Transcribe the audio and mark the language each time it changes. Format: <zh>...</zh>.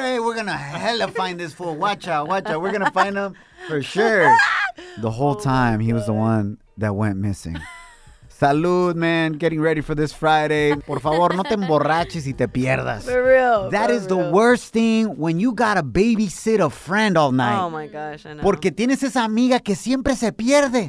<en>Hey, we're going to hella find this fool. Watch out. We're going to find him for sure. The whole time, he was the one that went missing. Salud, man. Getting ready for this Friday.</en> <es>Por favor, no te emborraches y te pierdas.</es> <en>For real. That is the worst thing when you gotta babysit a friend all night. Oh, my gosh, I know.</en> <es>Porque tienes esa amiga que siempre se pierde.</es>